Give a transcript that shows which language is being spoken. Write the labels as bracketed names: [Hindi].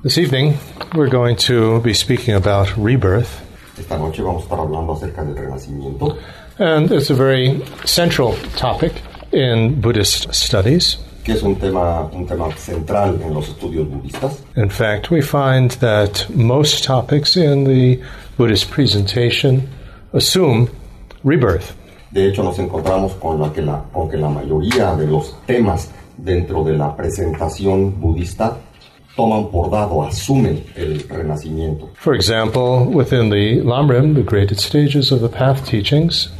[English] This evening, we're going to be speaking about rebirth. [Spanish] Esta noche vamos a estar hablando acerca del renacimiento. [English] And it's a very central topic in Buddhist studies. [Spanish] Que es un tema central en los estudios budistas. [English] In fact, we find that most topics in the Buddhist presentation assume rebirth. [Spanish] De hecho, nos encontramos con que la mayoría de los temas dentro de la presentación budista toman por dado, asumen el renacimiento. [English] For example, within the Lamrim, the graded stages of the path teachings.